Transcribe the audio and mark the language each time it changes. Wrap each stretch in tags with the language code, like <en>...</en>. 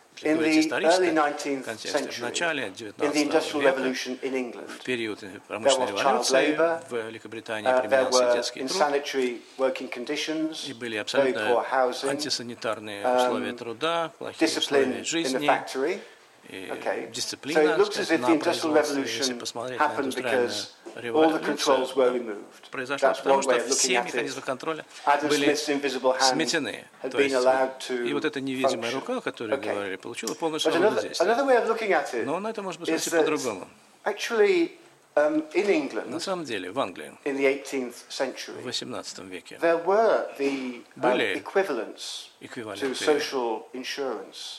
<en>in the early 19th century, in the Industrial Revolution in England, there was child labor, there were insanitary working conditions, very poor housing,</en> <ru>антисанитарные условия труда,</ru> <en>discipline in the factory. Okay. So it looks as if the Industrial Revolution happened because all the controls were removed. That's one way of looking at it. Adam Smith's invisible hand had been allowed to function.</en> <ru>И вот эта невидимая рука, которую говорили, получила полностью действие.</ru> <en>Another way of looking at it.</en> <ru>Но на это можно посмотреть по-другому.</ru> <en>Actually, in England,</en> <ru>на самом деле, в Англии,</ru> <en>in the 18th century,</en> <ru>в 18 веке,</ru> <en>there were the equivalents to social insurance,</en>